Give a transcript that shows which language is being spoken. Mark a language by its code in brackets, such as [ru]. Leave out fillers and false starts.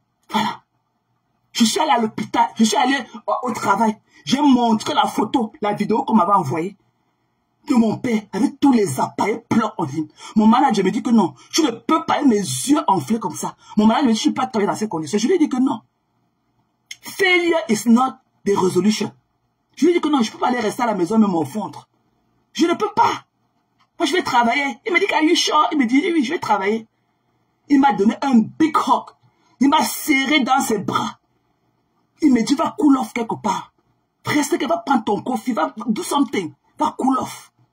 [fr] Voilà. Je suis allé à l'hôpital. Je suis allé au travail. J'ai montré la photo, la vidéo qu'on m'avait envoyée de mon père avec tous les appareils pleins en ligne. Mon manager me dit que non, je ne peux pas avoir mes yeux enflés comme ça. Mon manager me dit que je ne peux pas travailler dans ces conditions. Je lui ai dit que non. [en] Failure is not the resolution. [fr] Je lui ai dit que non, je ne peux pas aller rester à la maison et me fondre. Je ne peux pas. Moi, je vais travailler. Il me dit qu'il y a eu chaud. Il me dit oui, je vais travailler. Il m'a donné un [en] big hug. [fr] Il m'a serré dans ses bras. Il me dit va [en] cool off [fr] quelque part. Reste que va prendre ton coffee, va [en] do something, [fr] va [en] cool off.